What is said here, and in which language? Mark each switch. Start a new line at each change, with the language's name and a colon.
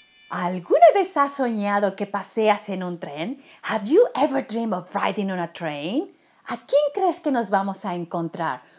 Spanish: ¿Alguna vez has soñado que paseas en un tren?
English: Have you ever dreamed of riding on a train?
Spanish: ¿A quién crees que nos vamos a encontrar?